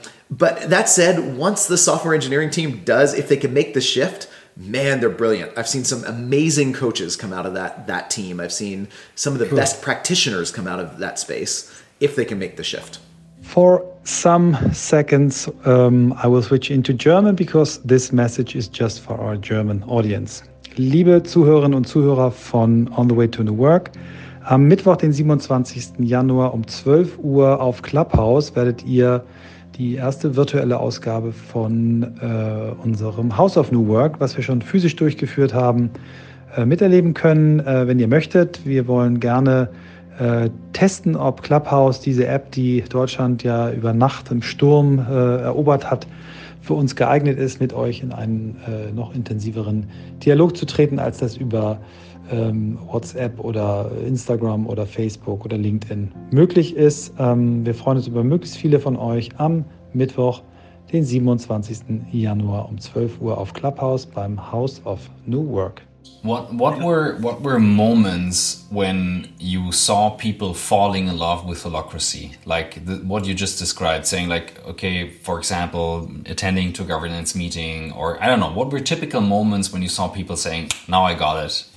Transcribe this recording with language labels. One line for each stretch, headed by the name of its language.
English: But that said, once the software engineering team does, if they can make the shift, man, they're brilliant. I've seen some amazing coaches come out of that team. I've seen some of the best practitioners come out of that space if they can make the shift. For some seconds, I will switch into German because this message is just for our German audience.
German: Liebe Zuhörerinnen und Zuhörer von On the Way to New Work, am Mittwoch, den 27. Januar um 12 Uhr auf Clubhouse werdet ihr die erste virtuelle Ausgabe von unserem House of New Work, was wir schon physisch durchgeführt haben, miterleben können, wenn ihr möchtet. Wir wollen gerne testen, ob Clubhouse, diese App, die Deutschland ja über Nacht im Sturm erobert hat, für uns geeignet ist, mit euch in einen noch intensiveren Dialog zu treten, als das über WhatsApp oder Instagram oder Facebook oder LinkedIn möglich ist. Wir freuen uns über möglichst viele von euch am Mittwoch, den 27. Januar um 12 Uhr auf Clubhouse beim House of New Work.
English: What were moments when you saw people falling in love with Holacracy? Like what you just described, saying like, okay, for example, attending to a governance meeting, or I don't know, what were typical moments when you saw people saying, now I got it.